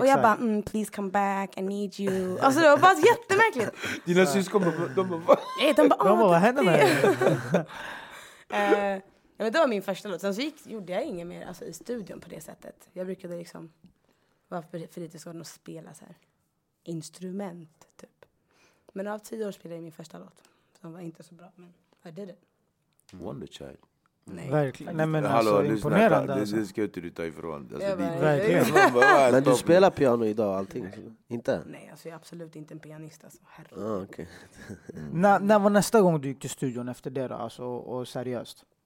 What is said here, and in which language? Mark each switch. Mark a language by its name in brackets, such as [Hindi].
[Swedish] Och jag bara, [English] please come back, I need you. [Swedish] Alltså det var bara jättemärkligt. Dina syskon, de bara, vad händer med dig? Ja, men det var min första låt. Sen så gjorde jag inget mer alltså, i studion på det sättet. Jag brukade liksom vara för lite sådant och spela så här, instrument typ. Men av 10 år spelade jag min första låt. Som var inte så bra, men [English] I did it. Wonder Child. [Swedish] Nej. Verkligen. Nej, men hallå, alltså, imponerande. Du snackar, det ska inte du ta ifrån. Alltså, men du spelar piano idag allting? Nej. Inte? Nej, alltså, jag är absolut inte en pianist. Alltså. Okay. När var nästa gång du gick till studion efter det då? Alltså, och seriöst?